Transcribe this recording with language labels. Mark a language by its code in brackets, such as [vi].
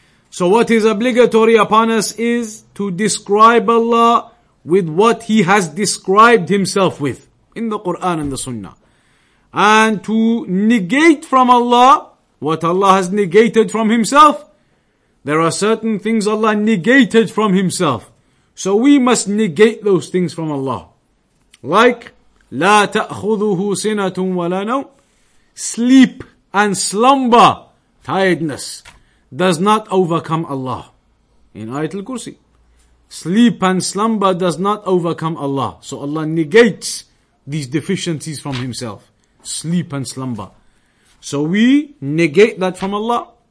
[en] So what is obligatory upon us is to describe Allah with what He has described Himself with in the Quran and the Sunnah. And to negate from Allah what Allah has negated from Himself. There are certain things Allah negated from Himself. So we must negate those things from Allah. [ar] Like, لا تأخذه سنة ولا نوم. [en] Sleep and slumber, tiredness, does not overcome Allah. In Ayatul Kursi, sleep and slumber does not overcome Allah. So Allah negates these deficiencies from Himself. Sleep and slumber. So we negate that from Allah.